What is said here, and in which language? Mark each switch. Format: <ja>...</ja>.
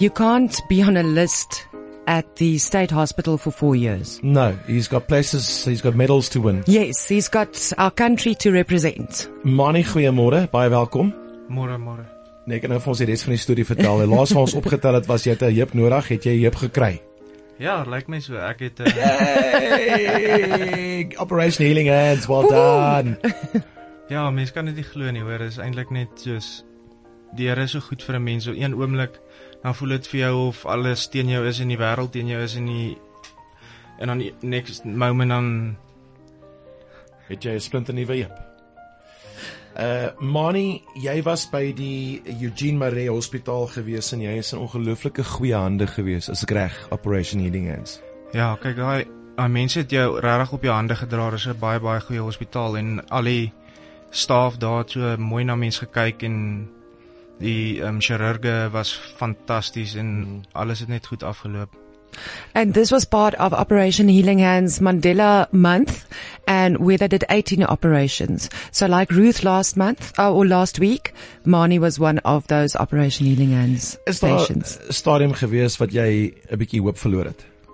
<en>You can't be on a list at the state hospital for 4 years. No, he's got places, he's got medals to win. Yes, he's got our country to represent.</en> <af>Marnie, goeiemôre, baie welkom. Môre, môre. Nee, ek kan nou vir ons die rest van die story vertel. Die laatste wat ons opgetel het was, jy het 'n heup nodig, het jy 'n heup gekry? Ja, lyk my so, ek het...</af> <en>Operation Healing Hands, well done!</en> <af>Ja, mens kan dit nie glo nie, hoor, is eintlik net soos die Here is so goed vir 'n mens. So een oomblik dan voel dit vir jou of alles teen jou is en die wêreld teen jou is en die en dan die</af> <en>next moment</en> <af>dan het jy 'n splinter nuwe heup. Mani, jy was by die Eugene Marais Hospitaal gewees en jy is in ongelooflike goeie hande gewees, as ek reg, Operation Healing Hands. Ja, kyk, daai mense het jou regtig op jou hande gedra, dis 'n baie baie goeie hospitaal en al die staf daar het so mooi na mense gekyk en die chirurge was fantasties en alles het net goed afgeloop.</af> <en>And this was part of Operation Healing Hands Mandela Month, and where they did 18 operations. So like Ruth last month, or last week, Marnie was one of those Operation Healing Hands is patients.</en> <af>Is daar stadium gewees wat jy 'n bietjie hoop verloor het?</af>